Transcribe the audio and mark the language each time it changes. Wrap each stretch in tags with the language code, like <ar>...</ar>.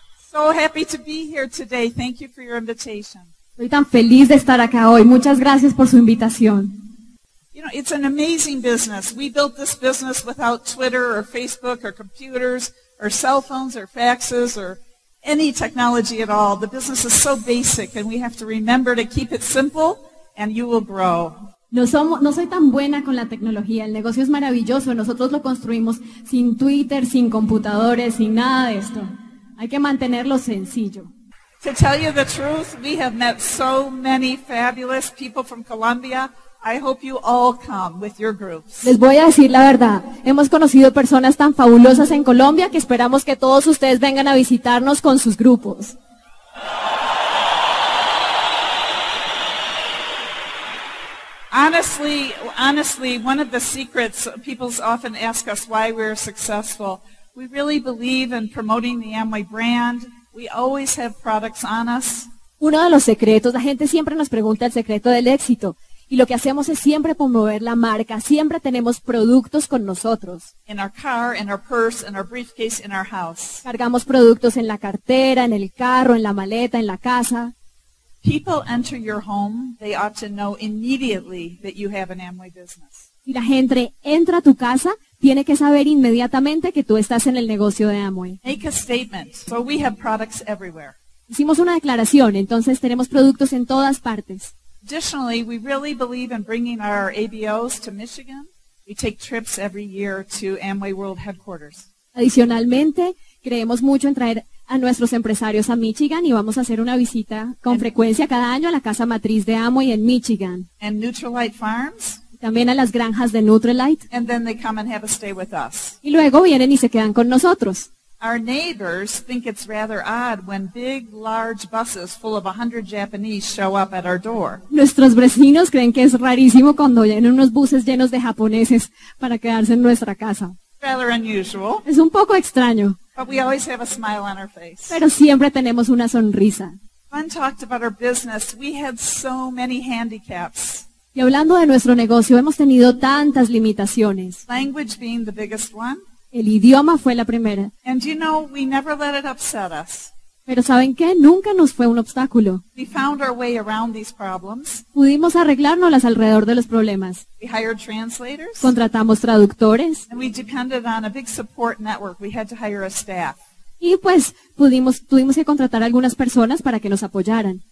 <en>So happy to be here today. Thank you for your invitation.</en> <es>Estoy tan feliz de estar acá hoy. Muchas gracias por su invitación.</es> <en>You know, it's an amazing business. We built this business without Twitter or Facebook or computers or cell phones or faxes or any technology at all. The business is so basic and we have to remember to keep it simple and you will grow.</en> <es>No soy tan buena con la tecnología. El negocio es maravilloso. Nosotros lo construimos sin Twitter, sin computadores, sin nada de esto. Hay que mantenerlo sencillo.</es> <en>To tell you the truth, we have met so many fabulous people from Colombia. I hope you all come with your groups.</en> <es>Les voy a decir la verdad. Hemos conocido personas tan fabulosas en Colombia que esperamos que todos ustedes vengan a visitarnos con sus grupos.</es> <en>Honestly, one of the secrets people often ask us why we're successful. We really believe in promoting the Amway brand. We always have products on us.</en> <es>Uno de los secretos, la gente siempre nos pregunta el secreto del éxito. Y lo que hacemos es siempre promover la marca. Siempre tenemos productos con nosotros.</es> <en>In our car, in our purse, in our briefcase, in our house.</en> <es>Cargamos productos en la cartera, en el carro, en la maleta, en la casa.</es> <en>People enter your home, they ought to know immediately that you have an Amway business.</en> <es>Si la gente entra a tu casa, tiene que saber inmediatamente que tú estás en el negocio de Amway.</es> <en>Make a statement. So we have products everywhere.</en> <es>Hicimos una declaración, entonces tenemos productos en todas partes.</es> <en>Additionally, we really believe in bringing our ABOs to Michigan. We take trips every year to Amway World Headquarters.</en> <es>Adicionalmente, creemos mucho en traer a nuestros empresarios a Michigan y vamos a hacer una visita con frecuencia cada año a la casa matriz de Amway en Michigan.</es> <en>And Nutrilite Farms.</en> <es>También a las granjas de Nutrilite.</es> <en>And then they come and have a stay with us.</en> <es>Y luego vienen y se quedan con nosotros.</es> <en>Our neighbors think it's rather odd when big, large buses full of 100 Japanese show up at our door.</en> <es>Nuestros vecinos creen que es rarísimo cuando vienen unos buses llenos de japoneses para quedarse en nuestra casa.</es> <en>Rather unusual.</en> <es>Es un poco extraño.</es> <en>But we always have a smile on our face.</en> <es>Pero siempre tenemos una sonrisa.</es> <en>Glenn talked about our business. We had so many handicaps.</en> <es>Y hablando de nuestro negocio, hemos tenido tantas limitaciones.</es> <en>Language being the biggest one.</en> <es>El idioma fue la primera.</es> <en>And you know, we never let it upset us.</en> <es>Pero ¿saben qué? Nunca nos fue un obstáculo.</es> <en>We found our way around these problems.</en> <es>Pudimos arreglárnoslas alrededor de los problemas.</es> <en>We hired translators.</en> <es>Contratamos traductores.</es> <en>And we depended on a big support network. We had to hire a staff.</en> <es>Y pues tuvimos que contratar algunas personas para que nos apoyaran.</es>